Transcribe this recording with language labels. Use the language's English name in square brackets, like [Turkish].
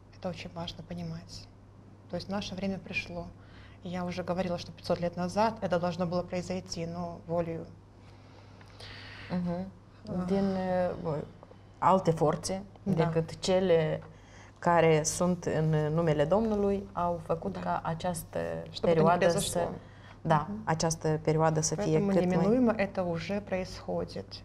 [Russian] Это очень важно понимать. То есть наше время пришло. Я уже говорила, что 500 лет назад это должно было произойти, но волею. [Romanian] Din alte forțe decât cele care sunt în numele Domnului au făcut ca această perioadă să... Да, această perioadă să fie cât mai... [Russian] Поэтому неминуемо это уже происходит.